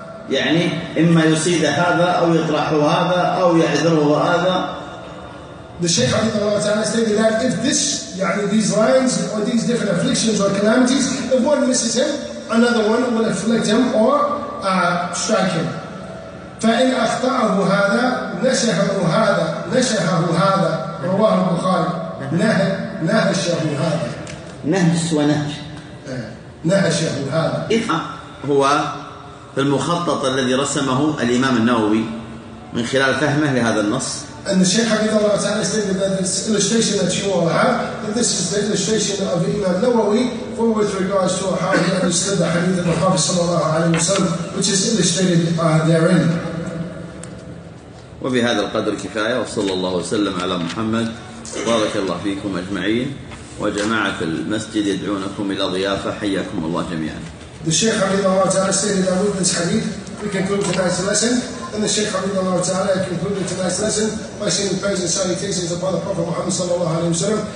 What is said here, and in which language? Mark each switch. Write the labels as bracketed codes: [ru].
[ar] يعني إما يصيد هذا أو يطرح هذا أو يعذره هذا. [en] The Shaykh Hafidhahullah Ta'ala stated that if this, يعني these lines or these different afflictions or calamities, if one misses him, another one will afflict him or strike him. [ar] فإن أخطأه هذا نشهه هذا نشهه هذا رواه البخاري نهشه هذا نهش ونهش نهشه هذا إذا هو المخطط الذي رسمه الإمام النووي من خلال فهمه لهذا النص. [en] And the Shaykh Hafidhahullah Ta'ala stated that this illustration that you all have, that this is the illustration of Imam Nawawi for with regards to how he understood the hadith of the Prophet sallallahu alayhi wa sallam, which is illustrated therein. [ar] وبهذا القدر كفاية وصلى الله وسلم على محمد. بارك الله فيكم أجمعين وجماعة المسجد يدعونكم إلى ضيافة حياكم الله جميعا. [en] The Shaykh Hafidhahullah Ta'ala stated that with this hadith, we conclude tonight's lesson. And the Shaykh Hafidhahullah Ta'ala concluded tonight's lesson by saying praise and salutations upon the Prophet Muhammad Sallallahu Alaihi Wasallam.